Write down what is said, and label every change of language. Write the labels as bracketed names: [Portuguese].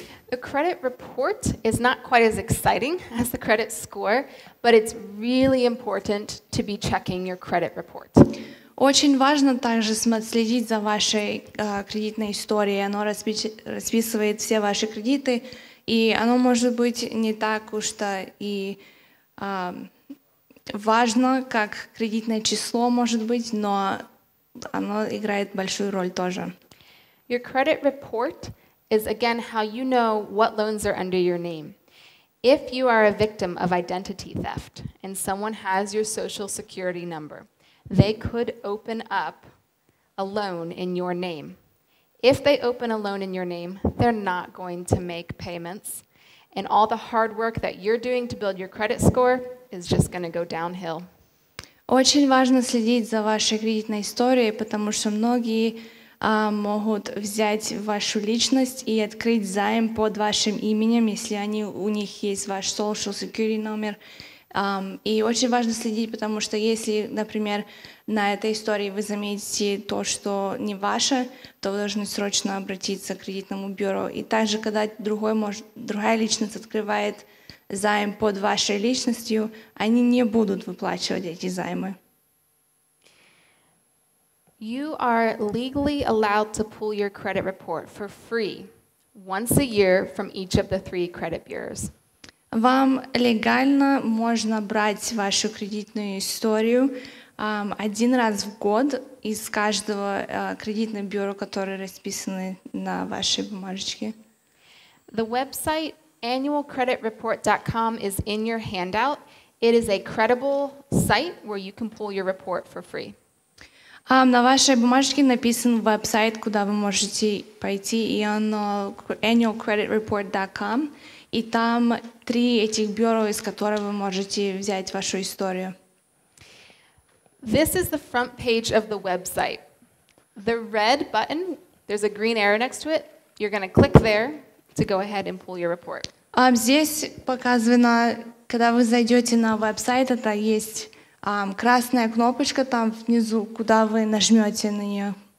[English] The credit report is not quite as exciting as the credit score, but it's really important to be checking your credit report. [Russian] Очень важно также следить за вашей кредитной историей. Оно расписывает все ваши кредиты, и оно может быть не так уж-то и важно, как кредитное число может быть, но оно играет большую роль тоже. [English] Your credit report is again how you know what loans are under your name. If you are a victim of identity theft and someone has your social security number, they could open up a loan in your name. If they open a loan in your name, they're not going to make payments. And all the hard work that you're doing to build your credit score is just going to go downhill. [Russian] Очень важно следить за вашей кредитной историей, потому что многие могут взять вашу личность и открыть займ под вашим именем, если они у них есть ваш social security номер. И очень важно следить, потому что если, например, на этой истории вы заметите то, что не ваше, то вы должны срочно обратиться к кредитному бюро. И также, когда другая личность открывает займ под вашей личностью, они не будут выплачивать эти займы. [English] You are legally allowed to pull your credit report for free once a year from each of the three credit bureaus. [Russian] Вам легально можно брать вашу кредитную историю один раз в год из каждого кредитного бюро, которые расписаны на вашей бумажечке. [English] The website annualcreditreport.com is in your handout. It is a credible site where you can pull your report for free. [Russian] На вашей бумажечке написан веб-сайт, куда вы можете пойти, и он annualcreditreport.com. И там три этих бюро, из которых вы можете взять вашу историю. [English] This is the front page of the website. The red button, there's a green arrow next to it. You're going to click there to go ahead and pull your report. [Russian] Здесь показано, когда вы зайдете на веб-сайт, это есть красная кнопочка там внизу, куда вы нажмете на нее.